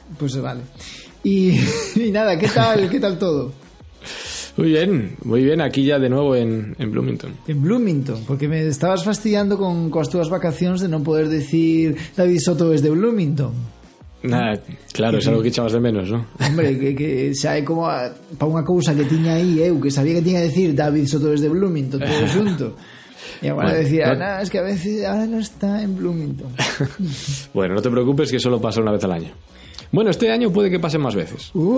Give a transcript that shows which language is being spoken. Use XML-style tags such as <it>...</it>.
<es>Pues vale. Y nada, ¿qué tal todo? Muy bien, aquí ya de nuevo en Bloomington. En Bloomington, porque me estabas fastidiando con las tuas vacaciones de no poder decir David Soto es de Bloomington. Nada, claro, es algo que echabas de menos, ¿no?</es> <gl>Hombre, que xa é como para unha cousa que tiña aí, eu que sabía que tiña que decir</gl> <es>David Soto es de Bloomington,</es> <gl>todo xunto.</gl> <es>Y ahora bueno, decía, no, es que a veces ahora no está en Bloomington. Bueno, no te preocupes que solo pasa una vez al año. Bueno, este año puede que pase más veces.</es>